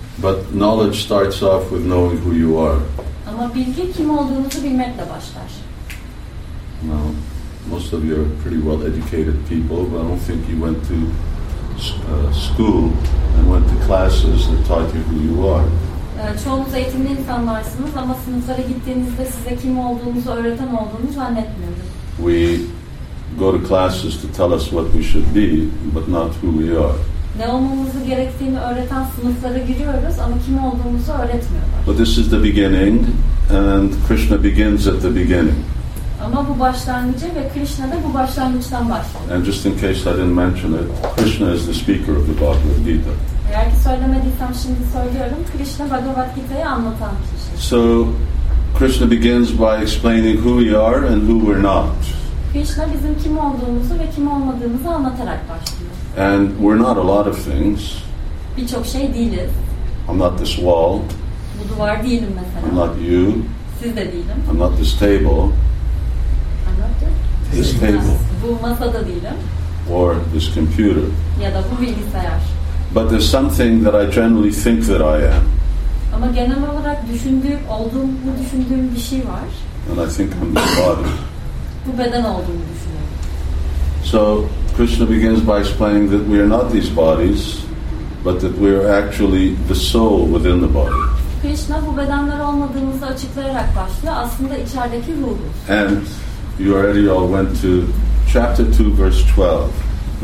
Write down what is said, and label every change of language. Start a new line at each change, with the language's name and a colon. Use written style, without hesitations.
English: But knowledge starts off with knowing who you are.
Turkish: Ama bilgi kim olduğunuzu bilmekle başlar.
English: No, most of you are pretty well educated people, but I don't think you went to school and went to classes that taught you who you are.
Turkish: Çoğunuz eğitimli insanlarsınız ama sınıflara gittiğinizde size kim olduğunuzu öğreten olduğunu zannetmiyorum.
English: We go to classes to tell us what we should be, but not who we are.
Turkish: Ne olmamızı gerektiğini öğreten sınıflara giriyoruz ama kim olduğumuzu öğretmiyorlar.
English: But this is the beginning, and Krishna begins at the beginning.
Turkish: Ama bu başlangıcı ve Krishna da bu başlangıçtan başlıyor.
English: And just in case I didn't mention it, Krishna is the speaker of the Bhagavad Gita.
Turkish: Eğer ki söylemediysem şimdi söylüyorum. Krishna Bhagavad Gita'yı anlatan kişi.
English: So Krishna begins by explaining who we are and who we're not.
Turkish: Krishna bizim kim olduğumuzu ve kim olmadığımızı anlatarak başlıyor.
English: And we're not a lot of things.
Turkish: Birçok şey değiliz.
English: I'm not this wall.
Turkish: Bu duvar değilim mesela.
English: I'm not you.
Turkish: Siz de değilim.
English: I'm not this table. This table.
Turkish: Bu masada değilim.
English: Or this computer.
Turkish: Ya da bu bilgisayar.
English: But there's something that I generally think that I am.
Turkish: Ama genel olarak düşündüğüm, olduğum, bu düşündüğüm bir şey var.
English: And I think I'm this body.
Turkish: Bu beden olduğumu düşünüyorum.
English: So Krishna begins by explaining that we are not these bodies, but that we are actually the soul within the body.
Turkish: Krishna bu bedenler olmadığımızı açıklayarak başlıyor. Aslında içerideki ruhuz.
English: And you already all went to chapter 2, verse 12.